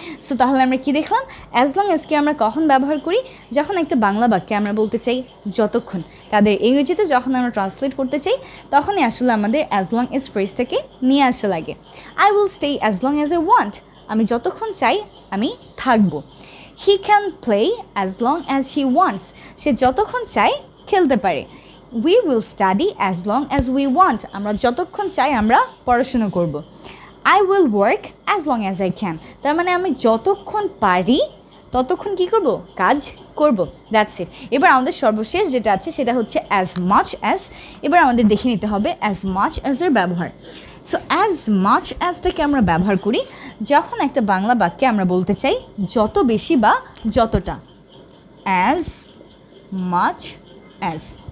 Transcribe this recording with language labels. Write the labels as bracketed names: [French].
[Bangla] So তাহলে আমরা কী দেখলাম, অ্যাজ লং অ্যাজকে আমরা কখন ব্যবহার করি, যখন একটা বাংলা বাক্যে আমরা বলতে চাই যতক্ষণ, তাদের ইংরেজিতে যখন আমরা ট্রান্সলেট করতে চাই তখনই আসলে আমাদের অ্যাজ লং অ্যাজ ফ্রেজটাকে নিয়ে আসা লাগে। [English] I will stay as long as I want, [Bangla] আমি যতক্ষণ চাই আমি থাকবো। [English] he can play as long as he wants, [Bangla] সে যতক্ষণ চাই খেলতে পারে। [English] We will study as long as we want, [Bangla] আমরা যতক্ষণ চাই আমরা পড়াশুনো করব। [English] I will work as long as I can, [Bangla] তার মানে আমি যতক্ষণ পারি ততক্ষণ কী করব, কাজ করব। [English] That's it. [Bangla] এবার আমাদের সর্বশেষ যেটা আছে সেটা হচ্ছে as much as, এবার আমাদের দেখে নিতে হবে as much as এর ব্যবহার। সো অ্যাজ মাচ অ্যাজটাকে আমরা ব্যবহার করি যখন একটা বাংলা বাক্যে আমরা বলতে চাই যত বেশি বা যতটা, অ্যাজ মাচ অ্যাজ।